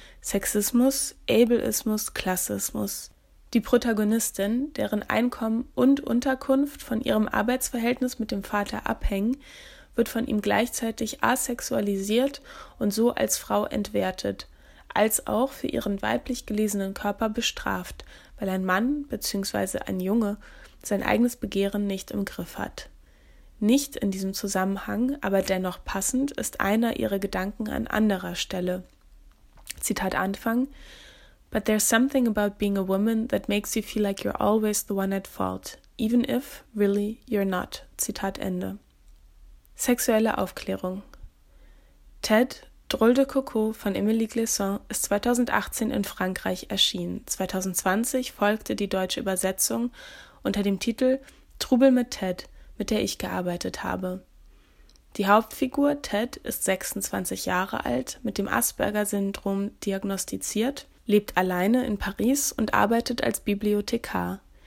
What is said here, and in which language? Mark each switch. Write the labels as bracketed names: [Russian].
[German] Sexismus, Ableismus, Klassismus. Die Protagonistin, deren Einkommen und Unterkunft von ihrem Arbeitsverhältnis mit dem Vater abhängen, wird von ihm gleichzeitig asexualisiert und so als Frau entwertet, als auch für ihren weiblich gelesenen Körper bestraft, weil ein Mann bzw. ein Junge sein eigenes Begehren nicht im Griff hat. Nicht in diesem Zusammenhang, aber dennoch passend, ist einer ihrer Gedanken an anderer Stelle. Zitat Anfang: [English] "But there's something about being a woman that makes you feel like you're always the one at fault, even if, really, you're not." [German] Zitat Ende. Sexuelle Aufklärung. Ted, Drôle de Coco von Emily Glisson, ist 2018 in Frankreich erschienen. 2020 folgte die deutsche Übersetzung unter dem Titel Trubel mit Ted, mit der ich gearbeitet habe. Die Hauptfigur Ted ist 26 Jahre alt, mit dem Asperger-Syndrom diagnostiziert, lebt alleine in Paris und arbeitet als Bibliothekar.